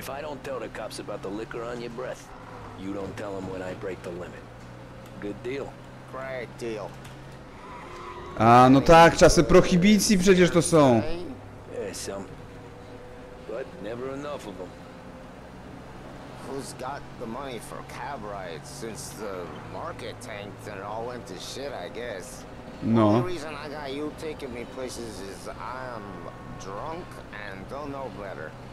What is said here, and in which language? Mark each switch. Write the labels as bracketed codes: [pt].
[en] If I don't tell the cops about the liquor on your breath, you don't tell them when I break the limit. Good deal. Great deal. [pl] A, no tak, czasy prohibicji przecież to są. [en] Some. But never enough of them. Who's got the money for cab rides since the market tanked and it all went to shit, I guess? No. The only reason I got you taking me places is I'm drunk and don't know better.